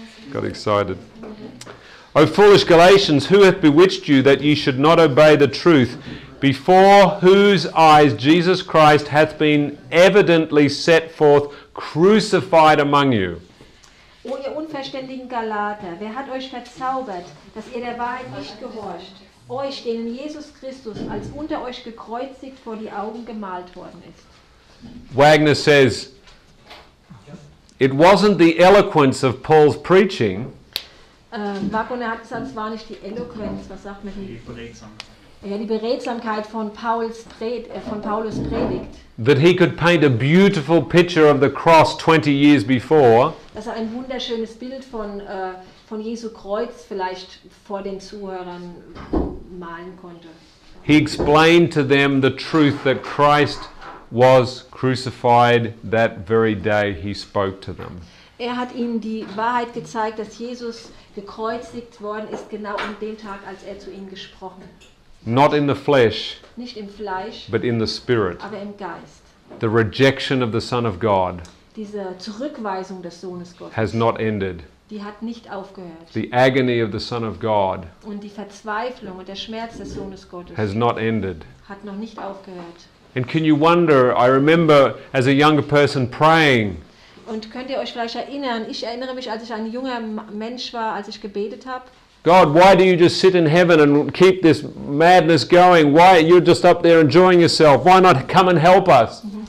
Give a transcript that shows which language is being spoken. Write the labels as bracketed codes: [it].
[en] Got excited. Mm-hmm. Oh foolish Galatians, who hath bewitched you that ye should not obey the truth, before whose eyes Jesus Christ hath been evidently set forth, crucified among you. [de] O ihr unverständigen Galater, wer hat euch verzaubert, dass ihr der Wahrheit nicht gehorcht, euch, denen Jesus Christus als unter euch gekreuzigt vor die Augen gemalt worden ist? [en] Wagner says, it wasn't the eloquence of Paul's preaching. [de] Wagner hat gesagt, es war nicht die Eloquenz, was sagt man hier? Ja, die Beredsamkeit von Paulus Predigt. [en] That he could paint a beautiful picture of the cross 20 years before. [de] Dass er ein wunderschönes Bild von Jesu Kreuz vielleicht vor den Zuhörern malen konnte. [en] He explained to them the truth that Christ was crucified that very day he spoke to them. [de] Er hat ihnen die Wahrheit gezeigt, dass Jesus gekreuzigt worden ist genau an dem Tag, als er zu ihnen gesprochen hat. [en] Not in the flesh, [de] nicht im Fleisch, [en] but in the spirit. [de] Aber im Geist. [en] The rejection of the Son of God, [de] diese Zurückweisung des Sohnes Gottes, [en] has not ended. [de] Die hat nicht aufgehört. [en] The agony of the Son of God, [de] und die Verzweiflung und der Schmerz des Sohnes Gottes, [en] has not ended. [de] Hat noch nicht aufgehört. [en] And can you wonder, I remember as a younger person praying. [de] Und könnt ihr euch vielleicht erinnern, ich erinnere mich, als ich ein junger Mensch war, als ich gebetet habe. [en] God, why do you just sit in heaven and keep this madness going? Why are you just up there enjoying yourself? Why not come and help us?